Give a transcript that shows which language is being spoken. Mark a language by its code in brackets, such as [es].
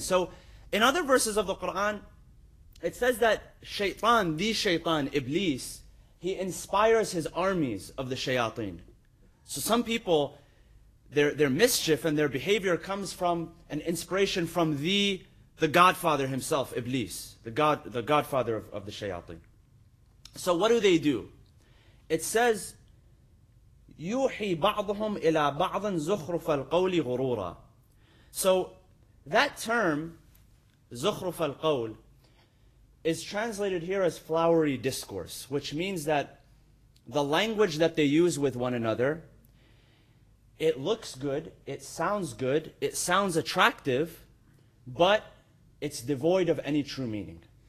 [en] So in other verses of the Quran, it says that shaitan, the shaitan, Iblis, he inspires his armies of the shayateen. So some people, their mischief and their behavior comes from an inspiration from the godfather himself, Iblis, the godfather of the shayateen. So what do? It says, [ar] يُوحِي بَعْضُهُمْ إِلَىٰ بَعْضٍ زُخْرُفَ الْقَوْلِ غُرُورًا. [en] So that term, زُخْرُفَ الْقَوْلِ, is translated here as flowery discourse, which means that the language that they use with one another, it looks good, it sounds attractive, but it's devoid of any true meaning.